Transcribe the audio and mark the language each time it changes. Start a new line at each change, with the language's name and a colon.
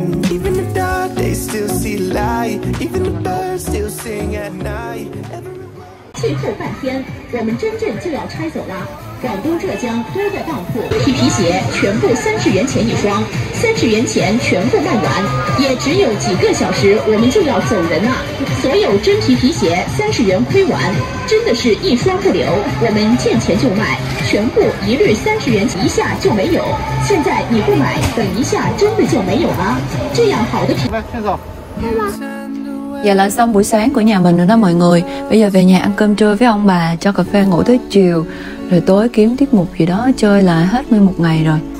English: Even the dark they still see light. Even the birds still sing at night.
Chinese: 去后半天，我们真正就要拆走了。广东浙江推的当铺，皮皮鞋全部30元钱一双，30元钱全部卖完。也只有几个小时，我们就要走人了。所有真皮皮鞋30元亏完，真的是一双不留。我们见钱就卖，全部一律30元一下就没有。现在你不买，等一下真的就没有了。这样好的皮，先走。
Vietnamese: Giờ là xong buổi sáng của nhà mình rồi đó mọi người. Bây giờ về nhà ăn cơm trưa với ông bà, cho cà phê ngủ tới chiều. Rồi tối kiếm tiết mục gì đó chơi là hết nguyên một ngày rồi.